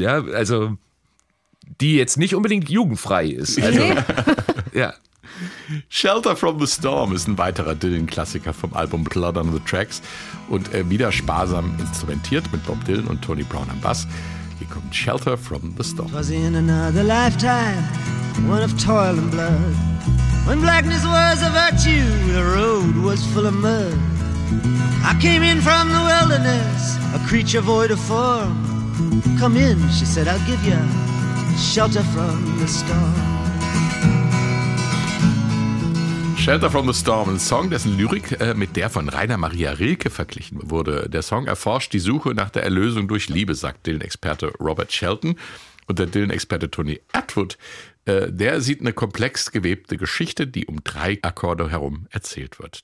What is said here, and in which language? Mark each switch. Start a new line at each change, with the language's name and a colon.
German: Ja, also die jetzt nicht unbedingt jugendfrei ist. Also, ja. Shelter from the Storm ist ein weiterer Dylan-Klassiker vom Album Blood on the Tracks und wieder sparsam instrumentiert mit Bob Dylan und Tony Brown am Bass. Hier kommt Shelter from the Storm.
English: It was in another lifetime, one of toil and blood, when blackness was a virtue, the road was full of mud. I came in from the wilderness, a creature void of form. Come in, she said, I'll give you shelter from the storm.
German: Shelter from the Storm, ein Song, dessen Lyrik mit der von Rainer Maria Rilke verglichen wurde. Der Song erforscht die Suche nach der Erlösung durch Liebe, sagt Dylan-Experte Robert Shelton. Und der Dylan-Experte Tony Atwood, der sieht eine komplex gewebte Geschichte, die um drei Akkorde herum erzählt wird.